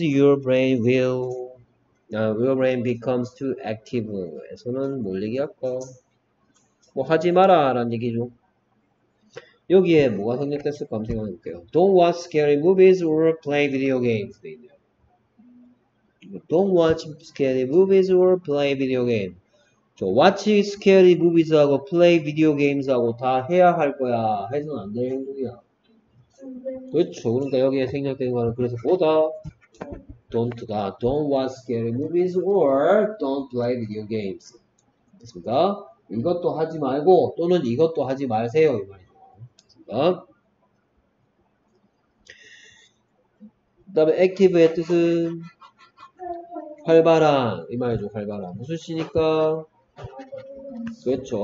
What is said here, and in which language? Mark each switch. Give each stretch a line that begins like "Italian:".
English: Your brain will your brain becomes too active.
Korean: 에서는 뭘 얘기할까? 뭐 하지 마라 라는 얘기죠. 여기에 뭐가 선택됐을까 한번 생각해볼게요.
English: Don't watch scary movies or play video games. Don't watch scary movies or play video games. Watch scary movies
Korean: 하고
English: play video games
Korean: 하고 다 해야 할 거야 해서는 안 되는 행동이야. 그렇죠. 그러니까 여기에 생략된 거는 그래서 보다 don't다.
English: Don't watch scary movies or don't play video games.
Korean: 됐습니까? 이것도 하지 말고 또는 이것도 하지 말세요 이 말이죠. 됐습니까? 그다음에 active의 뜻은 활발한 이 말이죠. 활발한 무슨 시니까? 그렇죠.